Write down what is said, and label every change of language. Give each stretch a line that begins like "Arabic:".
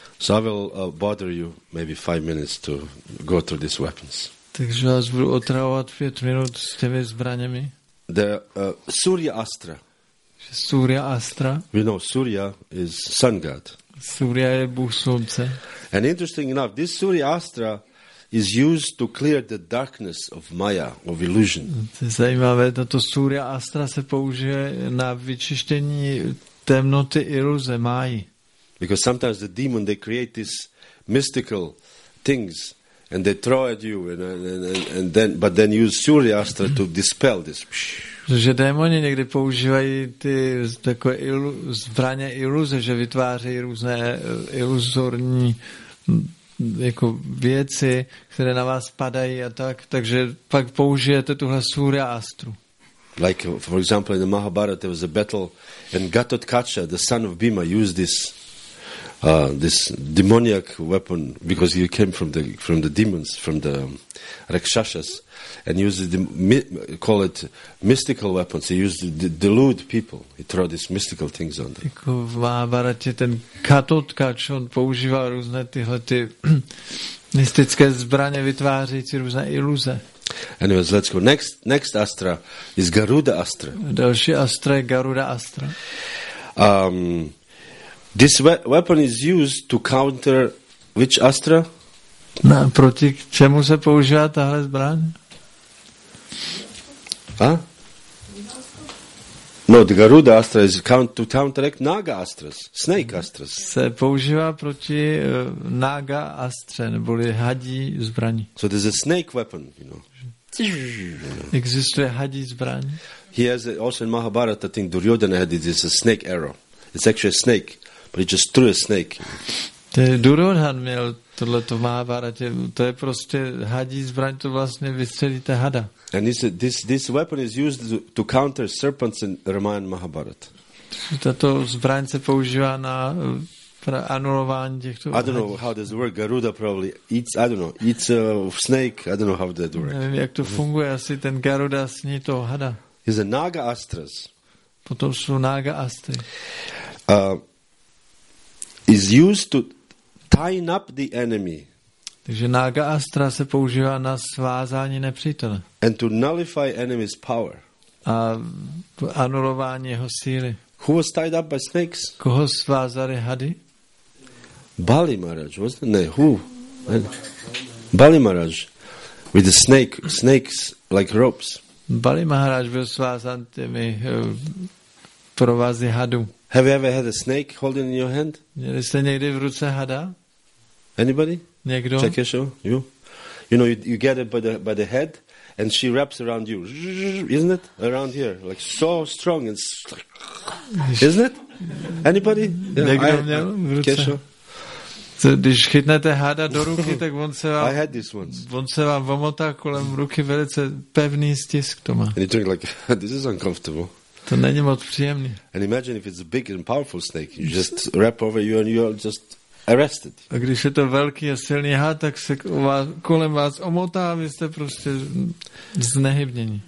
English: So I will bother you maybe 5 minutes to go through these weapons.
Czech: Takže vás budu otravovat 5 minut s těmi zbraněmi.
English: The Surya Astra.
Czech: Surya Astra.
English: We know Surya is sun god.
Czech: Surya je Bůh slunce.
English: And interesting enough, this Surya Astra is used to clear the darkness of Maya, of illusion.
Czech: Zajímavé, tato Surya Astra se použije na vyčištění temnoty iluze Mayi.
English: Because sometimes the demon, they create these mystical things and they throw at you and then use Surya Astra to dispel this.
Czech: Že démoni někdy používají ty takové zbraně iluze, že vytvářejí různé iluzorní jako věci, které na vás padají a tak, takže pak použijete tuhle Surya Astru.
English: Like for example in the Mahabharata there was a battle and Ghatotkacha, the son of Bhima, used this demoniac weapon because he came from the demons, from the rakshasas, and call it mystical weapons. He used to delude people. He threw these mystical things on them.
Czech: Jako v Mahabharatě ten Ghatotkač, on používal různé tyhle ty mystické zbraně vytvářející různé iluze.
English: Anyways, let's go. Next astra is Garuda astra.
Czech: Další astra je Garuda astra.
English: This weapon is used to counter which astra?
Czech: Na proti čemu se používá tahle zbraň? A?
English: No, the Garuda Astra is count to counteract Naga Astras, snake Astras.
Czech: Se používá proti Naga Astře, neboli hadí zbraní.
English: So there's a snake weapon, you know.
Czech: Existuje hadí zbraní.
English: He has also in Mahabharata, I think Duryodhana had it, it's a snake arrow. It's actually a snake, but he just threw a snake.
Czech: Duryodhan měl tohleto v Mahabharatě, to je prostě hadí zbraň, to vlastně vystřelíte hada.
English: And a, this weapon is used to counter serpents in Ramayana Mahabharata.
Czech: Tato zbraň se používá na anulování těchto hadí.
English: I don't know how does it work, Garuda probably eats, I don't know, eats a snake, I don't know how that works.
Czech: Nevím, jak to funguje, asi ten Garuda sní toho hada.
English: Is a Naga Astras.
Czech: Potom jsou Naga Astry.
English: Is used to tie up the enemy.
Czech: Takže Naga Astra se používá na svázání nepřítele.
English: And to nullify enemy's power.
Czech: A anulování jeho síly.
English: Who was tied up by snakes?
Czech: Koho svázali hady?
English: Bali Maharaj, wasn't it?
Czech: Ne,
English: who? Bali Maharaj with the snakes like ropes.
Czech: Bali Maharaj byl svázán těmi provazy hadu.
English: Have you ever had a snake holding in your hand?
Czech: Měli jste někdy v ruce hada?
English: Anybody?
Czech: Někdo?
English: Check your show. You? You know, you get it by the head, and she wraps around you, isn't it? Around here, like so strong and isn't it? Anybody?
Czech: Někdo měl v ruce?
English: Check your show.
Czech: Když chytnete hada do ruky, tak on se vám.
English: I had this once.
Czech: On se vám vomotá kolem ruky velice pevný stisk, Toma.
English: And you're like, this is uncomfortable.
Czech: To není moc příjemný.
English: And imagine if it's a big and powerful snake, you just wrap over you and you're just arrested.
Czech: A když je to velký a silný had, tak se kolem vás omotá a vy jste prostě znehybněni.